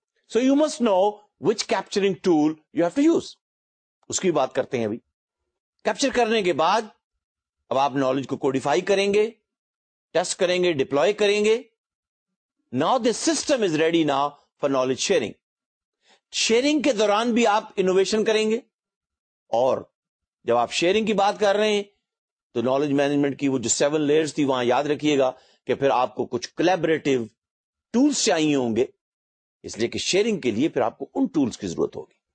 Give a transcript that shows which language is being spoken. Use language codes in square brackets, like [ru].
[en] So you must know which capturing tool you have to use. [ur] اس کی بات کرتے ہیں ابھی. Capture کرنے کے بعد اب آپ knowledge کو codify کریں گے, test کریں گے, deploy کریں گے. [en] Now the system is ready now for knowledge sharing. [ur] Sharing کے دوران بھی آپ innovation کریں گے, اور جب آپ sharing کی بات کر رہے ہیں تو knowledge management کی وہ جو 7 layers تھی وہاں یاد رکھیے گا کہ پھر آپ کو کچھ collaborative tools چاہیے ہوں گے, اس لیے کہ شیئرنگ کے لیے پھر آپ کو ان ٹولز کی ضرورت ہوگی.